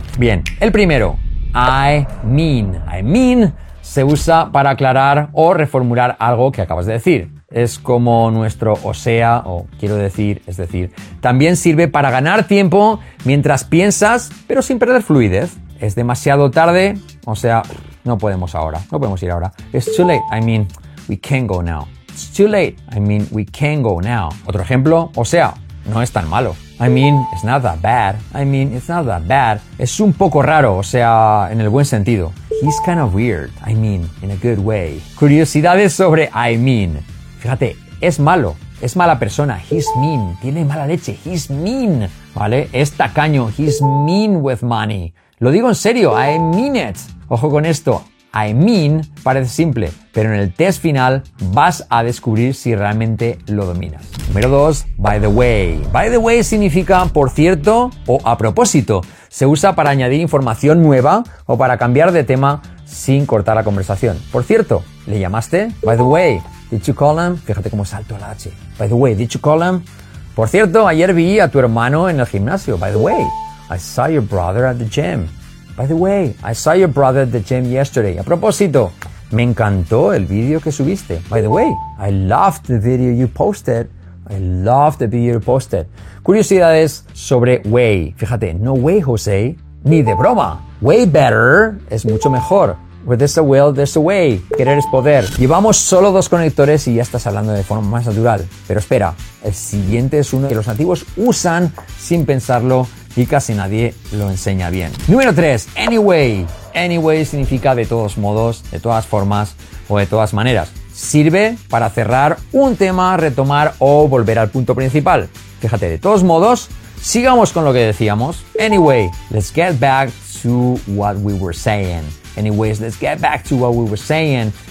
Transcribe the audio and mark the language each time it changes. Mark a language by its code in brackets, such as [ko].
[es] Bien, el primero, [en] I mean, [es] se usa para aclarar o reformular algo que acabas de decir. Es como nuestro o sea, o quiero decir, es decir. También sirve para ganar tiempo mientras piensas, pero sin perder fluidez. Es demasiado tarde, o sea, no podemos ahora, no podemos ir ahora. [en] It's too late, I mean, we can't go now. It's too late, I mean, we can't go now. [es] Otro ejemplo, o sea, no es tan malo. [en] I mean, it's not that bad. I mean, it's not that bad. [es] Es un poco raro, o sea, en el buen sentido. [en] He's kind of weird. I mean, in a good way. [es] Curiosidades sobre [en] I mean. [es] Fíjate, es malo. Es mala persona. [en] He's mean. [es] Tiene mala leche. He's mean. ¿Vale? Es tacaño. [en] He's mean with money. [es] Lo digo en serio. [en] I mean it. [es] Ojo con esto. I mean parece simple, pero en el test final vas a descubrir si realmente lo dominas. Número 2, by the way. By the way significa por cierto o a propósito. Se usa para añadir información nueva o para cambiar de tema sin cortar la conversación. Por cierto, ¿le llamaste? [en] By the way, did you call him? [es] Fíjate cómo salto la H. [en] By the way, did you call him? [es] Por cierto, ayer vi a tu hermano en el gimnasio. [en] By the way, I saw your brother at the gym. By the way, I saw your brother at the gym yesterday. [es] A propósito, me encantó el vídeo que subiste. [en] By the way, I loved the video you posted. I loved the video you posted. [es] Curiosidades sobre [en] way. [es] Fíjate, [en] no way, Jose. [es] Ni de broma. [en] Way better [es] es mucho mejor. [en] Where there's a will, there's a way. [es] Querer es poder. Llevamos solo dos conectores y ya estás hablando de forma más natural. Pero espera, el siguiente es uno que los nativos usan sin pensarlo y casi nadie lo enseña bien. Número 3, anyway. Anyway significa de todos modos, de todas formas o de todas maneras. Sirve para cerrar un tema, retomar o volver al punto principal. Fíjate, de todos modos, sigamos con lo que decíamos. [en] Anyway, let's get back to what we were saying. Anyways, let's get back to what we were saying.